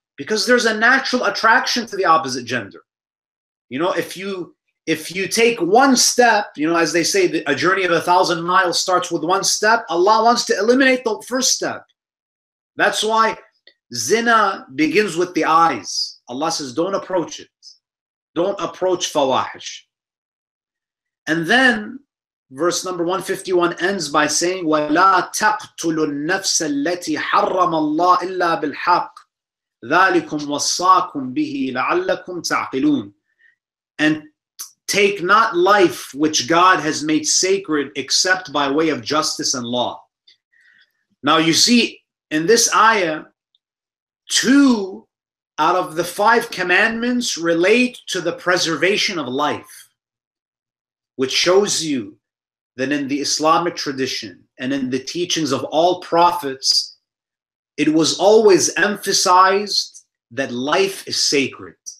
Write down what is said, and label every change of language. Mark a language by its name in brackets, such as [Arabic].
[English] Because there's a natural attraction to the opposite gender. You know, if you take one step, you know, as they say, a journey of 1,000 miles starts with one step, Allah wants to eliminate the first step. That's why zina begins with the eyes. Allah says, don't approach it. Don't approach fawahish. And then verse number 151 ends by saying, [Arabic] وَلَا تَقْتُلُ النَّفْسَ الَّتِي حَرَّمَ اللَّهِ إِلَّا بِالْحَقِّ ذَلِكُمْ وَصَّاكُمْ بِهِ لَعَلَّكُمْ تَعْقِلُونَ. [English] And take not life which God has made sacred except by way of justice and law. Now you see, in this ayah, two out of the five commandments relate to the preservation of life, which shows you that in the Islamic tradition and in the teachings of all prophets, it was always emphasized that life is sacred.